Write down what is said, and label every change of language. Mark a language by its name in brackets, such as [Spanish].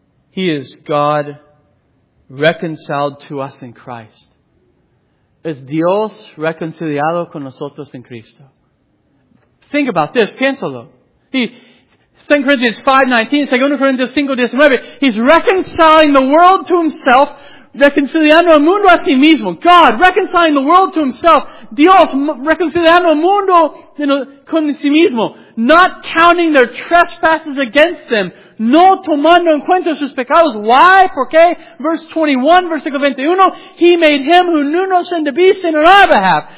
[English] He is God reconciled to us in Christ. [Spanish] Es Dios reconciliado con nosotros en Cristo. [English] Think about this. [Spanish] Piénsalo. [English] 2 Corinthians 5:19, 2 Corinthians 5:19. He's reconciling the world to himself, [Spanish] reconciliando el mundo a sí mismo. [English] God reconciling the world to himself. [Spanish] Dios reconciliando el mundo con sí mismo. [English] Not counting their trespasses against them. [Spanish] No tomando en cuenta sus pecados. [English] Why? [Spanish] ¿Por qué? [English] Verse 21, [Spanish] versículo 21. [English] He made him who knew no sin to be sin on our behalf.